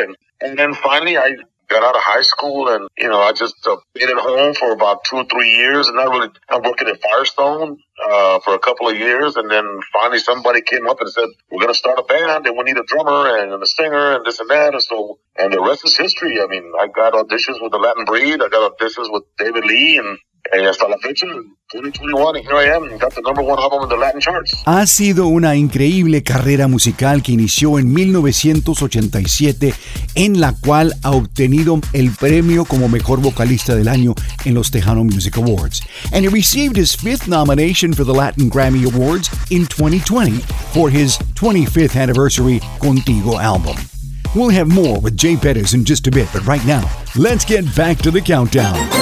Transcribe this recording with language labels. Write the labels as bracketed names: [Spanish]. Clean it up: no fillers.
[English] And then finally I got out of high school, and, you know, I just been at home for about 2 or 3 years, and I'm working at Firestone for a couple of years, and then finally somebody came up and said, we're going to start a band, and we need a drummer and a singer and this and that, and the rest is history. I mean, I got auditions with the Latin Breed, I got auditions with David Lee, and [Spanish] hasta la fecha, [English] 2021, and here I am, got the number one album in the Latin charts. [Spanish] Ha sido una increíble carrera musical que inició en 1987, en la cual ha obtenido el premio como mejor vocalista del año en los Tejano Music Awards. [English] And he received his fifth nomination for the Latin Grammy Awards in 2020 for his 25th anniversary Contigo album. We'll have more with Jay Perez in just a bit, but right now, let's get back to the countdown.